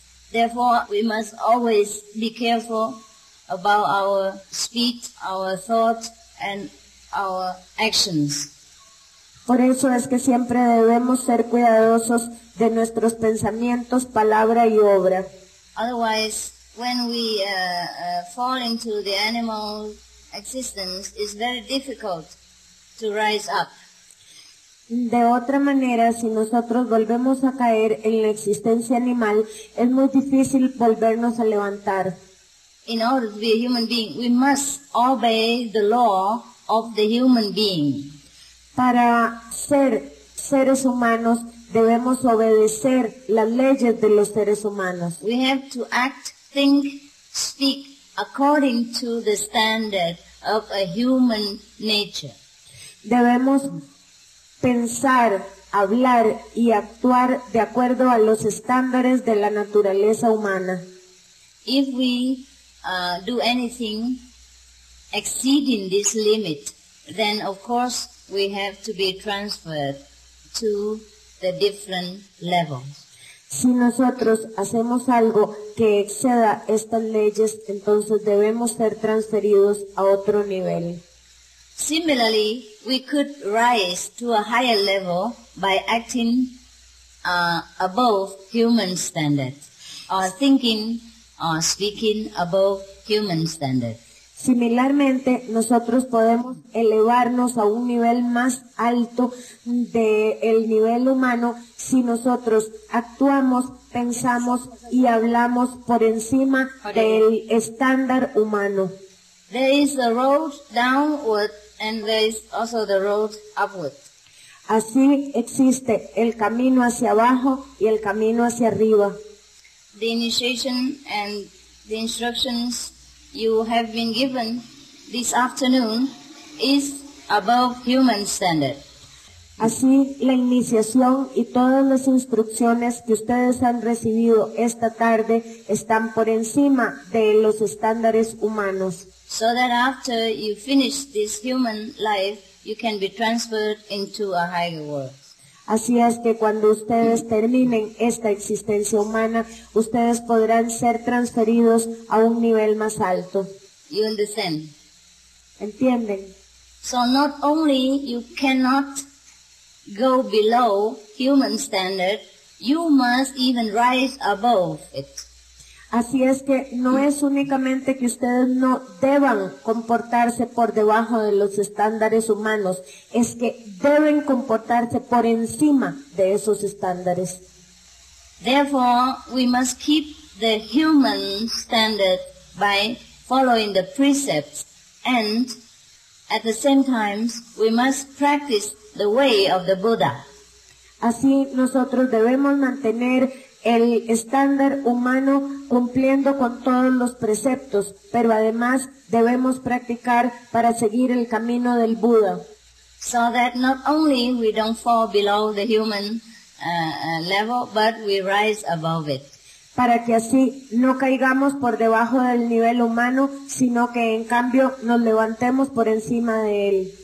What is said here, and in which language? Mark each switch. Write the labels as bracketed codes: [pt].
[en] Therefore, we must always be careful about our speech, our thoughts, and our actions. [es] Por eso es que siempre debemos ser cuidadosos de nuestros pensamientos, palabra y obra. [en] Otherwise, when we fall into the animal existence, it's very difficult to rise up. [es] De otra manera, si nosotros volvemos a caer en la existencia animal, es muy difícil volvernos a levantar. [en] In order to be a human being, we must obey the law of the human being. [es] Para ser seres humanos, debemos obedecer las leyes de los seres humanos. [en] We have to act, think, speak according to the standard of a human nature. [es] Debemos pensar, hablar y actuar de acuerdo a los estándares de la naturaleza humana. [en] If we do anything exceeding this limit, then of course we have to be transferred to the different levels. [es] Si nosotros hacemos algo que exceda estas leyes, entonces debemos ser transferidos a otro nivel. [en] Similarly, we could rise to a higher level by acting above human standard, or thinking or speaking above human standard. [es] Similarmente, nosotros podemos elevarnos a un nivel más alto del nivel humano si nosotros actuamos, pensamos y hablamos por encima del estándar humano. [en] There is a road downward and there is also the road upward. [es] Así existe el camino hacia abajo y el camino hacia arriba. [en] The initiation and the instructions you have been given this afternoon is above human standard. [es] Así, la iniciación y todas las instrucciones que ustedes han recibido esta tarde están por encima de los estándares humanos. [en] So that after you finish this human life, you can be transferred into a higher world. [es] Así es que cuando ustedes terminen esta existencia humana, ustedes podrán ser transferidos a un nivel más alto. [en] You understand? [es] ¿Entienden? [en] So not only you cannot go below human standard, you must even rise above it. [es] Así es que no es únicamente que ustedes no deban comportarse por debajo de los estándares humanos, es que deben comportarse por encima de esos estándares. [en] Therefore, we must keep the human standard by following the precepts, and at the same time, we must practice the way of the Buddha. [es] Así nosotros debemos mantener el estándar humano cumpliendo con todos los preceptos, pero además debemos practicar para seguir el camino del Buda. [en] So that not only we don't fall below the human level, but we rise above it. [es] Para que así no caigamos por debajo del nivel humano, sino que en cambio nos levantemos por encima de él.